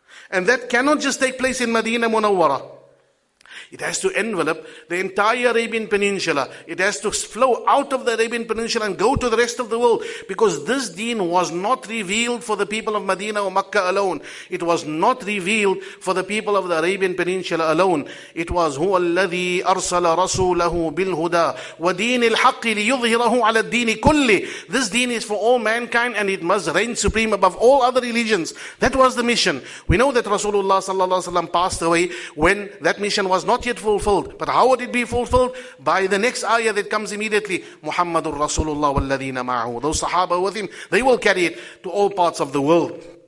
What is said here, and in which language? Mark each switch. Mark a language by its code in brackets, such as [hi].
[en] And that cannot just take place in Madinah Munawwara. It has to envelop the entire Arabian Peninsula. It has to flow out of the Arabian Peninsula and go to the rest of the world. Because this deen was not revealed for the people of Medina or Makkah alone. It was not revealed for the people of the Arabian Peninsula alone. It was [ar] هو الذي أرسل رسوله بالهدى ودين الحق ليظهره على الدين كله. [en] This deen is for all mankind and it must reign supreme above all other religions. That was the mission. We know that Rasulullah sallallahu alaihi wasallam passed away when that mission was not yet fulfilled. But how would it be fulfilled? By the next ayah that comes immediately. [ar] Muhammadur Rasulullah wal-ladhina ma'ahu. [en] Those sahaba with him, they will carry it to all parts of the world.